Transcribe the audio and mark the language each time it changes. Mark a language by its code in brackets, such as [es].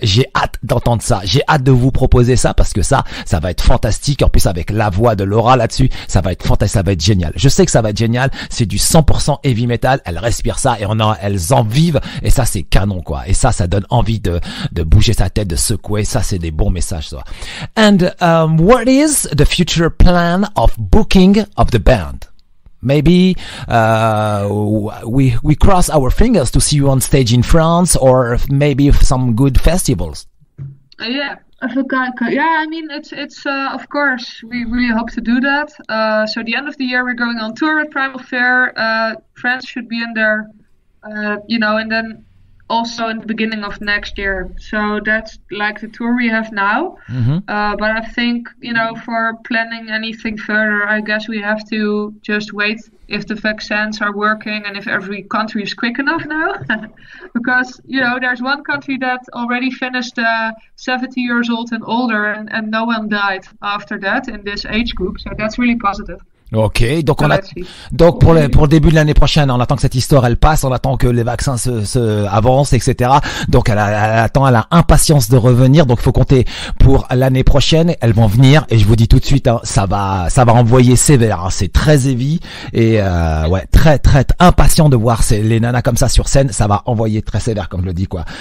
[fr] J'ai hâte d'entendre ça. J'ai hâte de vous proposer ça, parce que ça va être fantastique. En plus, avec la voix de Laura là-dessus, ça va être fantastique. Ça va être génial. Je sais que ça va être génial. C'est du 100% heavy metal. Elles respirent ça et elles en vivent. Et ça, c'est canon, quoi. Et ça donne envie de bouger sa tête, de secouer. Ça, c'est des bons messages, ça. [en] And what is the future plan of booking of the band? Maybe we cross our fingers to see you on stage in France, or maybe some good festivals. I mean it's of course we really hope to do that. So at the end of the year we're going on tour at Primal Fair. France should be in there, you know, and then also in the beginning of next year. So that's like the tour we have now. But I think, you know, for planning anything further, I guess we have to just wait if the vaccines are working and if every country is quick enough now. Because, you know, there's one country that already finished 70 years old and older, and no one died after that in this age group. So that's really positive. [fr] Ok, donc pour le début de l'année prochaine, on attend que cette histoire elle passe, on attend que les vaccins se avancent, etc. Donc elle a impatience de revenir, donc faut compter pour l'année prochaine, elles vont venir et je vous dis tout de suite, hein, ça va envoyer sévère, hein, c'est très heavy et ouais, très très impatient de voir les nanas comme ça sur scène, ça va envoyer très sévère comme je le dis quoi.